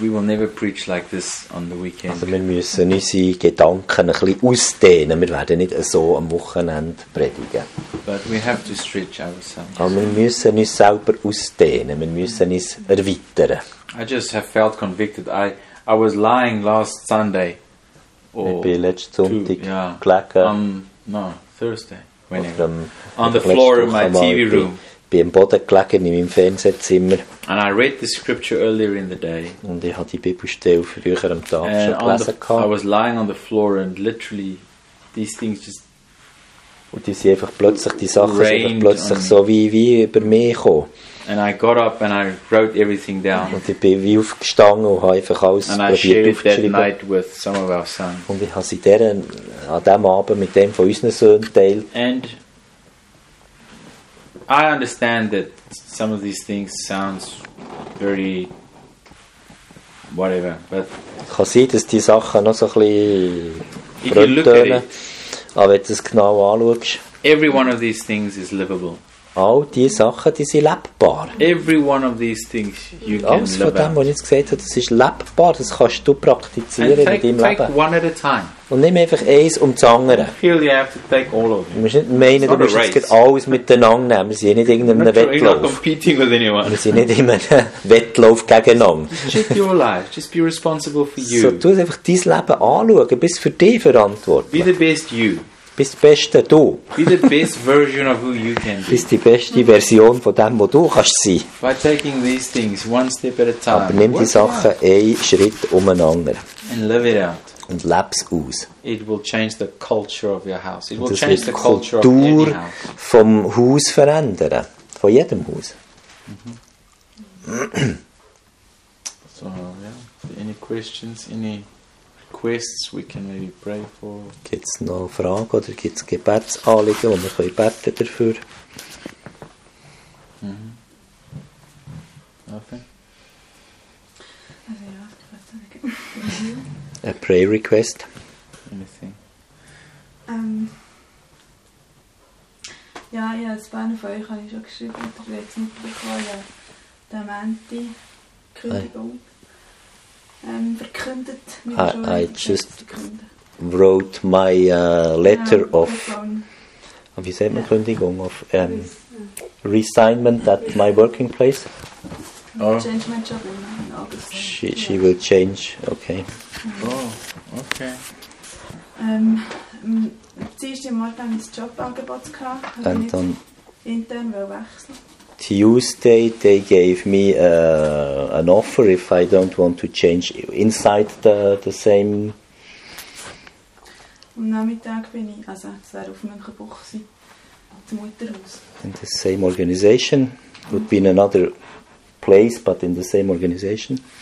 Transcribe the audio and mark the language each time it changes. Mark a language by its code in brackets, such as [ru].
[en] We will never preach like this on the weekend. [de] Also wir müssen unsere Gedanken ein bisschen ausdehnen. Wir werden nicht so am Wochenende predigen. [en] But we have to stretch ourselves. [de] Aber wir müssen uns selber ausdehnen. Wir müssen uns erweitern. [en] I just have felt convicted. I was lying last Sunday. Thursday. Whenever. On the floor of my TV room. [de] Beim Boden gelegen in meinem Fernsehzimmer. [en] And I read the scripture earlier in the day. [de] Und ich hatte die Bibelstelle früher am Tag schon gelesen. [en] I was lying on the floor and literally these things just. [de] Und die sind einfach plötzlich, die Sachen sind plötzlich so wie über mich gekommen. [en] And I got up and I wrote everything down. [de] Und ich bin wie aufgestanden und habe einfach alles aufgeschrieben. [en] That night with some of our sons. [de] Und ich habe sie an dem Abend mit dem von unseren Söhnen geteilt. [en] And I understand that some of these things sounds very whatever, but [de] ich kann sehen, dass die Sachen noch so ein bisschen rötönen, aber wenn du es genau anschaust, [en] every one of these things is livable. [de] All diese Sachen, die sind lebbar. [en] Every one of these things you can [de] alles von dem, was ich jetzt gesagt habe, das ist lebbar. Das kannst du praktizieren [en] take, [de] in deinem Leben. [en] One at a time. [de] Und nimm einfach eins um das andere. [en] Feel you have to take all of it. [de] Du musst nicht meinen, du musst jetzt alles miteinander nehmen. Wir sind nicht in einem Wettlauf. [en] Competing with anyone. [de] Wir sind nicht in einem Wettlauf gegeneinander. [en] Just be responsible for you. [de] So, du musst einfach dein Leben anschauen. Bist für dich verantwortlich. [en] Be the best you. [de] Bist das Beste du. [en] Be the best version of who you can be. [de] Bist die beste Version von dem, wo du kannst sein. [en] By taking these things one step at a time. [de] Aber nimm die Sachen einen Schritt umeinander. [en] And live it out. [de] Und lebe es aus. [en] It will change the culture of your house. It will change the culture of any house. [de] Und das wird die Kultur vom Haus verändern. Von jedem Haus. [en] Mm-hmm. So, yeah. Any questions? Any requests we can maybe pray for. [de] Gibt es noch Fragen oder gibt es Gebetsanliegen, wo wir können beten dafür? [en] Okay. A prayer request. Anything. [de] Ja, das Band von euch habe ich schon geschrieben, ich habe jetzt mitbekommen, ja, der Menti, Kündigung. [en] I just wrote my letter of, how do you say it, Kündigung, of reassignment at my working place. Oh. Change my job in August. She will change, okay. Mm. Oh, okay. [de] Zuerst im Morgen ein Jobangebot gehabt, habe ich intern wechseln. [en] Tuesday, they gave me an offer if I don't want to change inside the same. [de] Am Nachmittag bin ich, also es wäre auf Münchenbuch gewesen, zum Mutterhaus. [en] In the same organization. Would be in another place, but in the same organization.